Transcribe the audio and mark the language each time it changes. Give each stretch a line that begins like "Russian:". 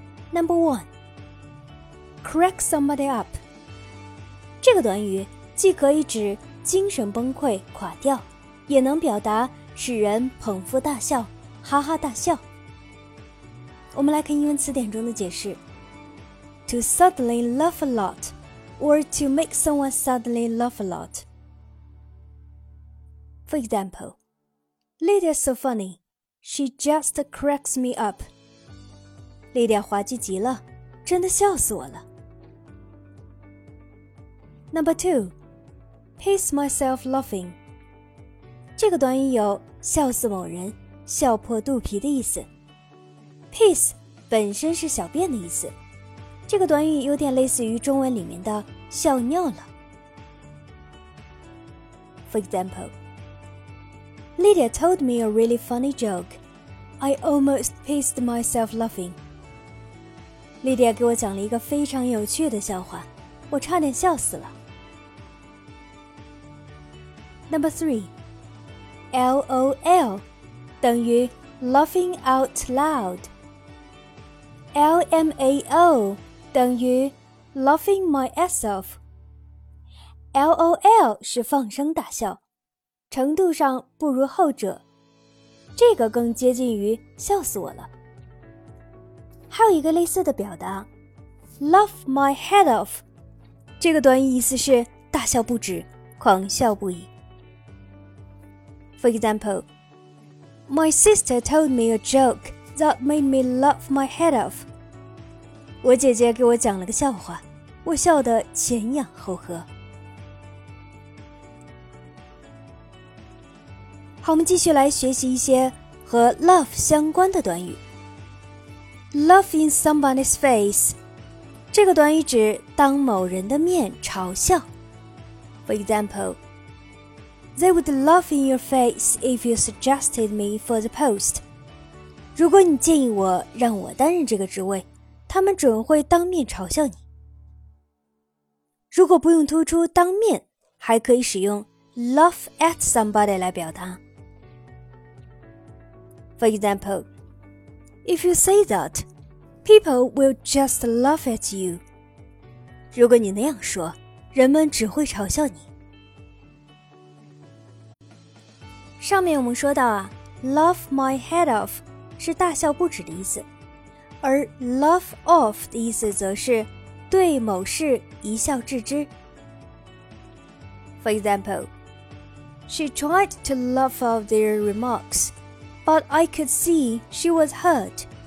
English: Number one, crack somebody up。
Chinese: 这个短语既可以指精神崩溃垮掉，也能表达使人捧腹大笑，哈哈大笑。我们来看英文词典中的解释。
English: To suddenly laugh a lot, or to make someone suddenly laugh a lot. For example, Lydia's so funny, she just cracks me up.
Chinese: Lydia 滑稽极了，真的笑死我了。
English: Number two, piss myself laughing.
Chinese: 这个短语有笑死某人，笑破肚皮的意思。 Piss 本身是小便的意思，这个短语有点类似于中文里面的笑尿了。
English: For example, Lydia told me a really funny joke. I almost pissed myself laughing.
Chinese: Lydia 给我讲了一个非常有趣的笑话，我差点笑死了。
English: Number three, LOL 等于 laughing out loud. LMAO 等于 laughing my ass off.
Chinese: LOL 是放声大笑，程度上不如后者，这个更接近于笑死我了。还有一个类似的表达， laugh my head off， 这个短语意思是大笑不止，狂笑不已。
English: For example, My sister told me a joke that made me laugh my head off.
Chinese: 我姐姐给我讲了个笑话，我笑得前仰后合。好，我们继续来学习一些和 love 相关的短语。 Love in somebody's face， 这个短语指当某人的面嘲笑。
English: For example, They would laugh in your face if you suggested me for the post。
Chinese: 如果你建议我让我担任这个职位，他们准会当面嘲笑你。如果不用突出当面，还可以使用 laugh at somebody 来表达。
English: For example, If you say that, people will just laugh at you.
Chinese: 如果你那样说，人们只会嘲笑你。上面我们说到啊， laugh my head off 是大笑不止的意思，而 laugh off 的意思则是对某事一笑置之。
English: For example, She tried to laugh off their remarks, but I could see she was hurt.